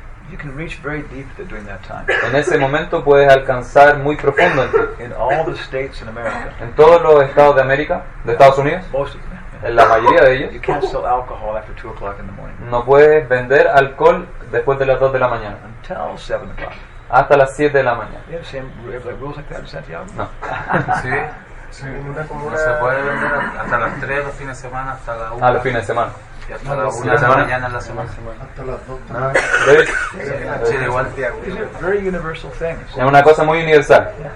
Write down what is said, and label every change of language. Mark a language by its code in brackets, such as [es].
[en] You can reach very deep during that time. [es] En ese momento puedes alcanzar muy profundo en ti. [en] In all the states in America. [es] En todos los estados de América, de Estados Unidos. [en] Most [es] en la mayoría de ellos. [en] You can't sell alcohol after 2 o'clock in the morning. [es] No puedes vender alcohol después de las 2 de la mañana. [en] Until 7 o'clock. [es] Hasta las 7 de la mañana. [en] Yeah, same rules like that in Santiago. [es] No. Sí. Sí. No se puede vender hasta las 3 los fines de semana, hasta la 1. Ah, los fines de semana. Es una cosa muy universal.